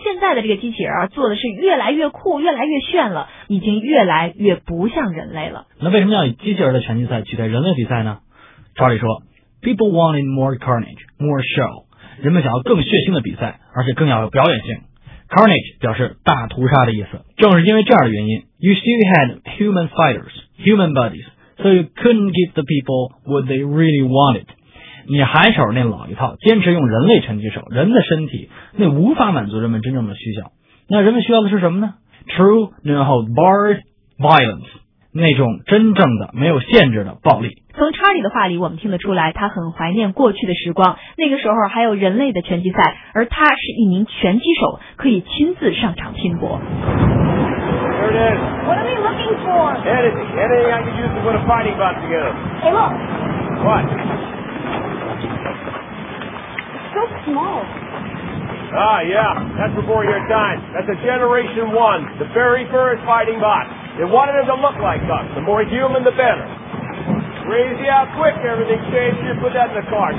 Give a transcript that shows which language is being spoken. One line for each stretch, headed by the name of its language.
Chinese: 现在的这个机器人啊，做的是越来越酷，越来越炫了，已经越来越不像人类了。那为什么要以机器人的拳击赛取代人类比赛呢？
English: Charlie
Chinese: 说
English: ，People wanted more carnage, more show.
Chinese: 人们想要更血腥的比赛，而且更要有表演性。 Carnage 表示大屠杀的意思。正是因为这样的原因
English: ，You still had human fighters, human bodies, so you couldn't give the people what they really wanted.
Chinese: 你还守那老一套，坚持用人类拳击手、人的身体，那无法满足人们真正的需求。那人们需要的是什么呢 ？
English: True, no hold barred violence.
Chinese: 那种真正的没有限制的暴力。从查理的话里我们听得出来，他很怀念过去的时光，那个时候还有人类的拳击赛，而他是一名拳击手，可以亲自上场拼搏。
English: Here it is. What are we looking for? Anything I could use to put a fighting bot together. Hey look. What? It's so small. Ah yeah, that's before your time. That's a generation one, the very first fighting bot. They wanted it to look like us, the more human the betterCrazy how quick everything changed you put that in the car.